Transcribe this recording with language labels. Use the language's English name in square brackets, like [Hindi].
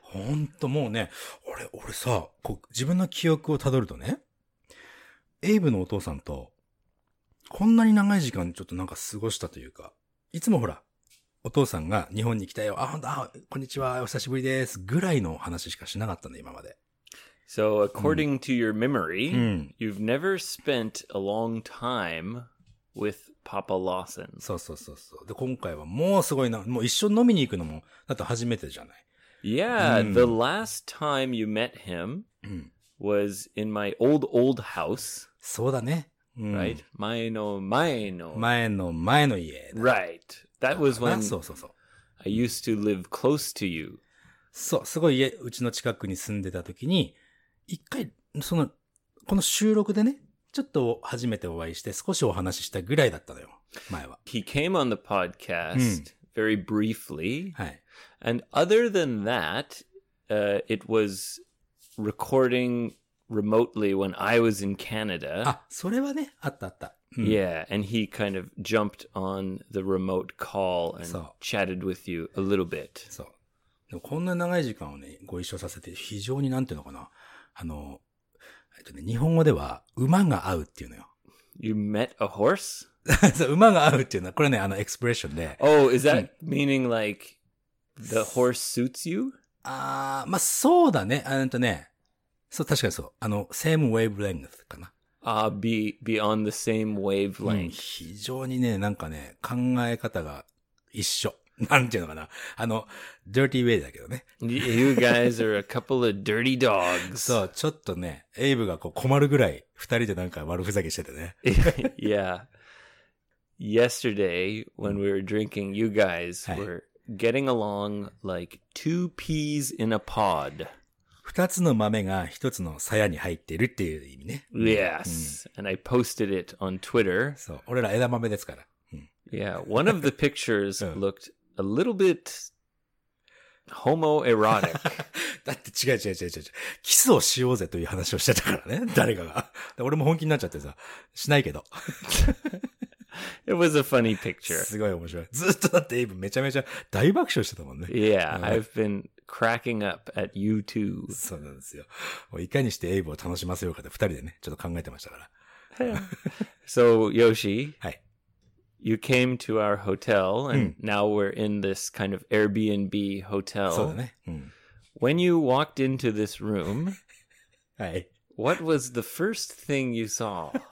[Japanese] 本当、もうね、俺さ、こう、自分の記憶をたどるとね、エイブのお父さんと、こんなに長い時間ちょっとなんか過ごしたというか、いつもほら、お父さんが日本に来たよ。あ、ほんと、あ、こんにちは。お久しぶりです。ぐらいの話しかしなかったね、今まで。 [English] So, according to your memory,、you've never spent a long time with Papa Lawson. [Japanese] そうそうそうそう。で、今回はもうすごいな。もう一緒に飲みに行くのも、だって初めてじゃない。 [English] Yeah,、the last time you met him was in my old, old house. [Japanese] そうだね。 [English] Right? [Japanese] 前の。前の前の家。 [English] Right. That was when [Japanese] そうそうそう [English] I used to live close to you. [Japanese] そう、すごい家、うちの近くに住んでた時に、一回、その、この収録でね、ちょっと初めてお会いして少しお話ししたぐらいだったのよ、前は。 [English] He came on the podcast、very briefly. [Japanese] はい。 [English] And other than that,、it was recording remotely when I was in Canada. [Japanese] あ、それはね、あったあった。 [English] Yeah, and he kind of jumped on the remote call and chatted with you a little bit. [Japanese] そう。でもこんな長い時間をね、ご一緒させて、非常になんていうのかな。日本語では、馬が合うっていうのよ。 [English] You met a horse? [Japanese] そう、馬が合うっていうのは、これね、expression で。 [English] Oh, is that meaning like, the horse suits you? [Japanese] まあ、そうだね。そう、確かにそう。 [English] same wavelength かな。 Be on the same wavelength.、 [Japanese] 非常にね、なんかね、考え方が一緒。なんていうのかな。 [English] dirty way [Japanese] だけどね。 [English] You guys are a couple of dirty dogs. [Japanese] そう、ちょっとね、エイブがこう困るぐらい、二人でなんか悪ふざけしててね。 [English] yeah. Yesterday, when we were drinking, you guys were getting along like two peas in a pod. [Japanese] 二つの豆が一つの鞘に入っているっていう意味ね。 [English] Yes.、And I posted it on Twitter. [Japanese] そう。俺ら枝豆ですから。 [English] Yeah. One of the pictures looked a little bit homoerotic. [Japanese] だって違う。キスをしようぜという話をしてたからね。誰かが。俺も本気になっちゃってさ。しないけど。 [English] It was a funny picture. [Japanese] すごい面白い。ずっとだってエイブめちゃめちゃ大爆笑してたもんね。 [English] Yeah. I've beencracking up at you too. [Japanese] そうなんですよ。もういかにしてエイブを楽しませようかって二人でね、ちょっと考えてましたから。 [English] So, Yoshi. [Japanese] はい。 [English] You came to our hotel and now we're in this kind of Airbnb hotel. [Japanese] そうだね。 [English] When you walked into this room. [Japanese] はい。 [English] What was the first thing you saw?